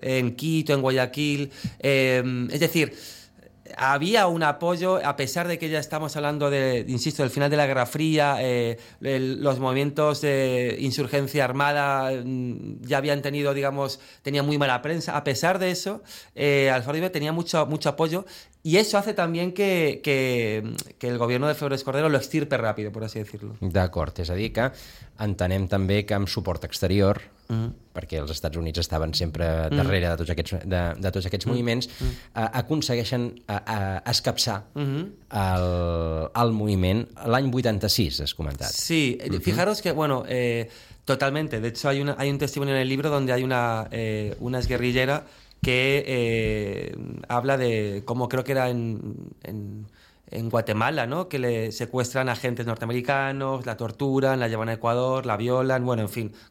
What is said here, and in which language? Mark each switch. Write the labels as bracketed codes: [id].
[es] En Quito, en Guayaquil. Es decir, había un apoyo, a pesar de que ya estamos hablando del final de la Guerra Fría, los movimientos de insurgencia armada ya habían tenido, digamos, tenían muy mala prensa. A pesar de eso, Alfaro Ibe tenía mucho apoyo Y eso hace también que el gobierno de Febres Cordero lo extirpe rápido, por así decirlo. [ca] D'acord, és a dir que entenem també que amb suport exterior, perquè els Estats Units estaven sempre darrere de tots aquests, de tots aquests moviments, aconsegueixen escapçar el moviment l'any 86, has comentat. [es] Sí, fijaros que, bueno, totalmente. De hecho, hay un testimonio en el libro donde hay una exguerrillera que habla de cómo creo que era en Guatemala, ¿no? Que le secuestran agentes norteamericanos, la torturan, la llevan a Ecuador, la violan, bueno, en fin.